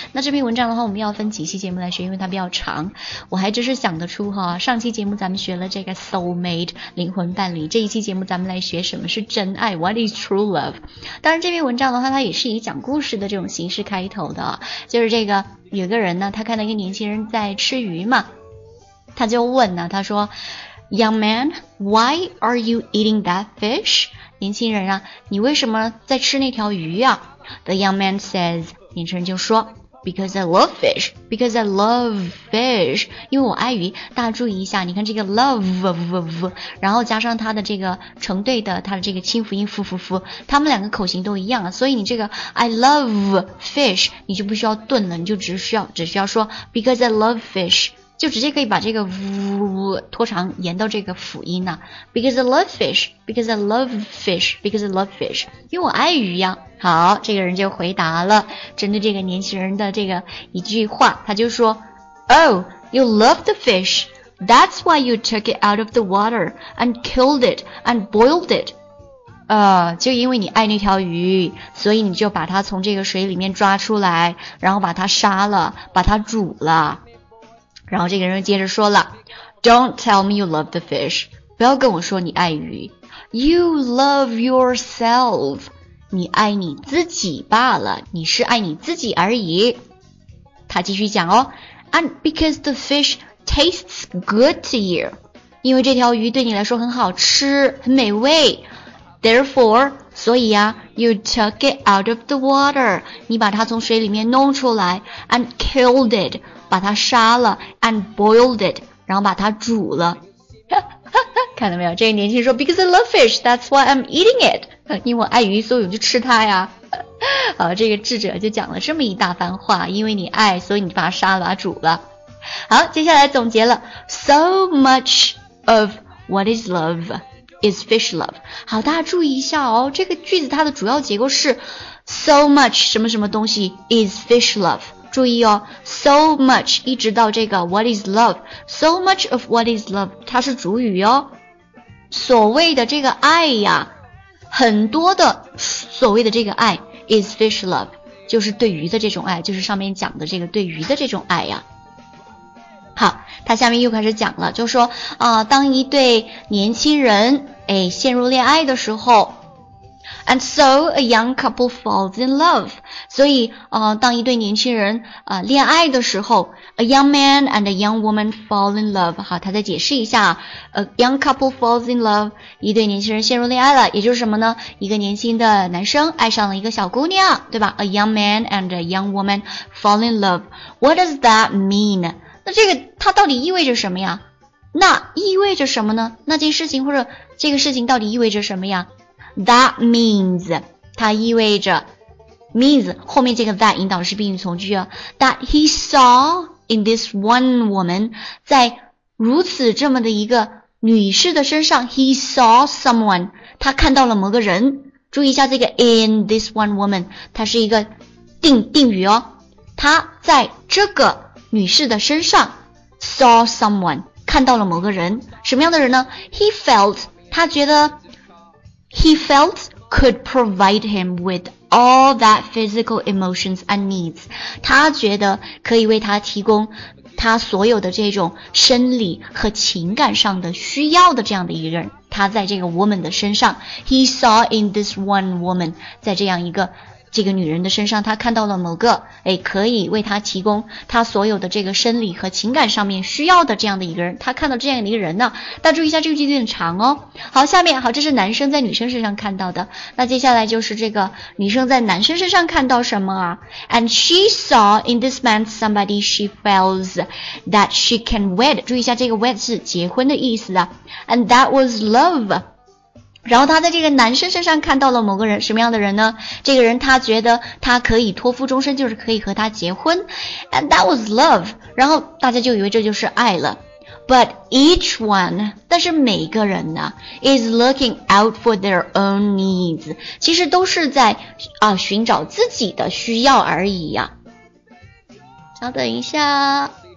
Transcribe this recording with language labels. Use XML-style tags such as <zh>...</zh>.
<zh>那这篇文章的话我们要分几期节目来学，因为它比较长。我还真是想得出哈，上期节目咱们学了这个 Soulmate 灵魂伴侣，这一期节目咱们来学什么是真爱，</zh> <en>What is true love。</en> <zh>当然这篇文章的话它也是以讲故事的这种形式开头的，就是这个有个人呢，他看到一个年轻人在吃鱼嘛，他就问呢，他说</zh> <en>Young man, why are you eating that fish?</en> <zh>年轻人啊，你为什么在吃那条鱼啊？</zh> <en>The young man says,</en> <zh>年轻人就说</zh> <en>Because I love fish,</en> <zh>因为我爱鱼。大家注意一下，你看这个 love, 然后加上它的这个成对的，它的这个清辅音 fu, 它们两个口型都一样，所以你这个 I love fish, 你就不需要顿了，你就只需要说</zh> <en>because I love fish,</en> <zh>就直接可以把这个 fu 拖长延到这个辅音啊。</zh> <en>Because I love fish,</en> <zh>因为我爱鱼呀。好，这个人就回答了针对这个年轻人的这个一句话，他就说</zh> <en>Oh, you love the fish. That's why you took it out of the water and killed it and boiled it.</en> <zh>就因为你爱那条鱼，所以你就把它从这个水里面抓出来，然后把它杀了，把它煮了。然后这个人接着说了</zh> <en>Don't tell me you love the fish.</en> <zh>不要跟我说你爱鱼。</zh> <en>You love yourself.</en> <zh>你爱你自己罢了，你是爱你自己而已。他继续讲哦</zh> <en>And because the fish tastes good to you,</en> <zh>因为这条鱼对你来说很好吃，很美味。 Therefore, 所以啊</zh> <en>you took it out of the water,</en> <zh>你把它从水里面弄出来</zh> <en>and killed it,</en> <zh>把它杀了</zh> <en>and boiled it,</en> <zh>然后把它煮了。看到没有，这个年轻人说</zh> <en>Because I love fish, that's why I'm eating it.</en> <zh>因为我爱鱼，所以我就吃它呀。这个智者就讲了这么一大番话，因为你爱，所以你把它杀了，把它煮了。好，接下来总结了</zh> <en>So much of what is love is fish love.</en> <zh>好，大家注意一下哦，这个句子它的主要结构是 So much 什么什么东西</zh> <en>is fish love.</en> <zh>注意哦 ,so much, 一直到这个 what is love,</zh> <en>so much of what is love,</en> <zh>它是主语哦。所谓的这个爱呀，很多的所谓的这个爱</zh> <en>is fish love,</en> <zh>就是对鱼的这种爱，就是上面讲的这个对鱼的这种爱呀。好，他下面又开始讲了，就说当一对年轻人陷入恋爱的时候，</zh> <en>And so a young couple falls in love.</en> <zh>所以当一对年轻人恋爱的时候 ,</zh> <en>a young man and a young woman fall in love.</en> <zh>好，他再解释一下</zh> <en>,a young couple falls in love.</en> <zh>一对年轻人陷入恋爱了，也就是什么呢？一个年轻的男生爱上了一个小姑娘，对吧 ?</zh> <en>a young man and a young woman fall in love. What does that mean?</en> <zh>那这个它到底意味着什么呀？那意味着什么呢？那件事情或者这个事情到底意味着什么呀？ That means, 它意味着 means, 后面这个 that 引导式宾语从句啊 that he saw in this one woman, 在如此这么的一个女士的身上</zh> <en>he saw someone,</en> <zh>他看到了某个人，注意一下这个</zh> <en>in this one woman,</en> <zh>它是一个定语哦，他在这个女士的身上 saw someone, 看到了某个人，什么样的人呢？</zh> <en>he felt,</en> <zh>他觉得</zh> <en>He felt could provide him with all that physical emotions and needs.</en> <zh>他觉得可以为他提供他所有的这种生理和情感上的需要的这样的一个人。他在这个 woman 的身上 ,</zh> <en>he saw in this one woman,</en> <zh>在这样一个这个女人的身上，他看到了某个可以为他提供他所有的这个生理和情感上面需要的这样的一个人，他看到这样的一个人呢。大家注意一下，这个句子很长哦。好，下面好，这是男生在女生身上看到的，那接下来就是这个女生在男生身上看到什么啊</zh> <en>And she saw in this man somebody she feels that she can wed.</en> <zh>注意一下，这个 wed 是结婚的意思啊。</zh> <en>And that was love.</en> <zh>然后他在这个男生身上看到了某个人，什么样的人呢？这个人他觉得他可以托付终身，就是可以和他结婚。</zh> <en>And that was love.</en> <zh>然后大家就以为这就是爱了。</zh> <en>But each one,</en> <zh>但是每个人呢</zh> <en>is looking out for their own needs.</en> <zh>其实都是在寻找自己的需要而已呀。稍等一下。</zh>